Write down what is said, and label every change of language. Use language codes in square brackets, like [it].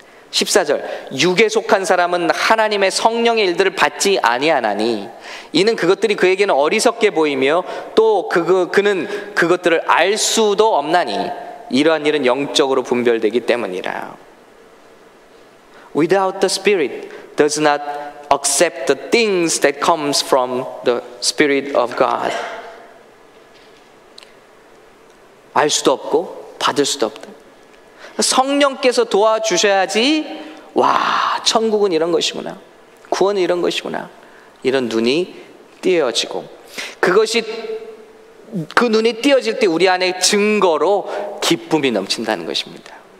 [ko] 14절 육에 속한 사람은 하나님의 성령의 일들을 받지 아니하나니 이는 그것들이 그에게는 어리석게 보이며 또 그는 그것들을 알 수도 없나니 이러한 일은 영적으로 분별되기 때문이라. [en] Without the Spirit does not accept the things that comes from the Spirit of God. [ko] 알 수도 없고 받을 수도 없다. 성령께서 도와주셔야지 와 천국은 이런 것이구나 구원은 이런 것이구나 이런 눈이 띄어지고 그것이 그 눈이 띄어질 때 우리 안에 증거로 기쁨이 넘친다는 것입니다.